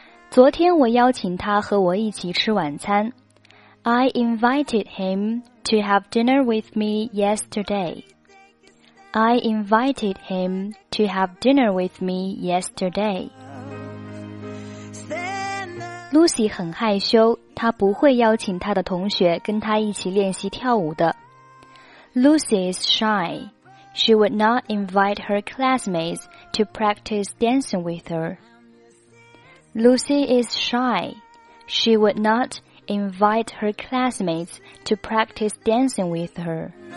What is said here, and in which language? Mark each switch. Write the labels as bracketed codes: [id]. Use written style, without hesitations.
[zh] 昨天我邀请他和我一起吃晚餐。 [en] I invited him to have dinner with me yesterday. I invited him to have dinner with me yesterday. [zh] Lucy 很害羞，她不会邀请她的同学跟她一起练习跳舞的。 [en] Lucy is shy. She would not invite her classmates to practice dancing with her. Lucy is shy. She would not invite her classmates to practice dancing with her.